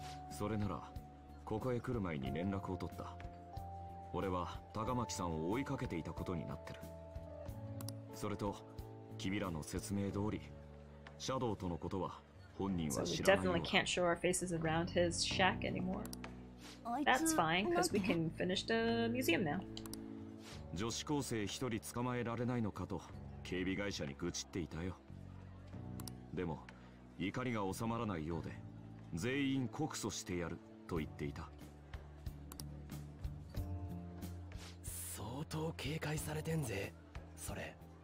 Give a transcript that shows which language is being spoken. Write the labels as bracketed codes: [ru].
[ja] それならここへ来る前に連絡を取った。俺は高巻さんを追いかけていたことになってる。それと君らの説明通りシャドウとのことは本人は知らないわ。 [en] So we definitely can't show our faces around his shack anymore. That's fine, because we can finish the museum now. [ja] 女子高生一人捕まえられないのかと警備会社に愚痴っていたよ。でも怒りが収まらないようで全員告訴してやると言っていた。相当警戒されてんぜ。それ